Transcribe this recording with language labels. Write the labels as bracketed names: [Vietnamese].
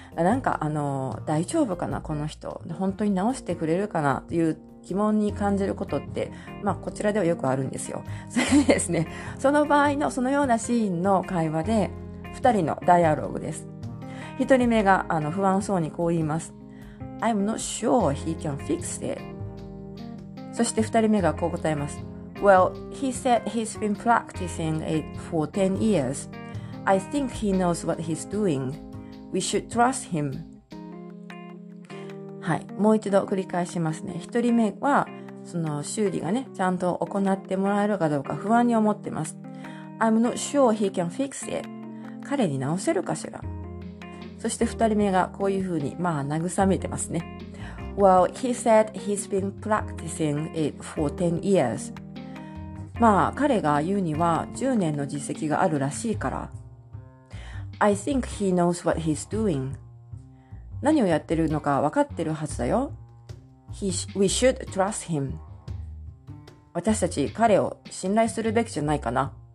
[Japanese] なんか大丈夫かな、この人本当に直してくれるかなという疑問に感じることって、こちらではよくあるんですよ。それでですね、その場合の、そのようなシーンの会話で、二人のダイアログです。一人目が不安そうにこう言います。 [English] I'm not sure he can fix it. [Japanese] そして二人目がこう答えます。 [English] Well, he said he's been practicing it for 10 years. I think he knows what he's doing. We should trust him. [Japanese] はい、もう一度繰り返しますね。一人目は、その修理がね、ちゃんと行ってもらえるかどうか不安に思ってます。 [English] I'm not sure he can fix it. [Japanese] 彼に直せるかしら。そして二人目がこういうふうに、慰めてますね。 [English] Well, he said he's been practicing it for 10 years. [Japanese] 彼が言うには10年の実績があるらしいから。 [English] I think he knows what he's doing. [Japanese] 何をやってるのか分かってるはずだよ。 [English] We should trust him. [Japanese] 私たち彼を信頼するべきじゃないかな。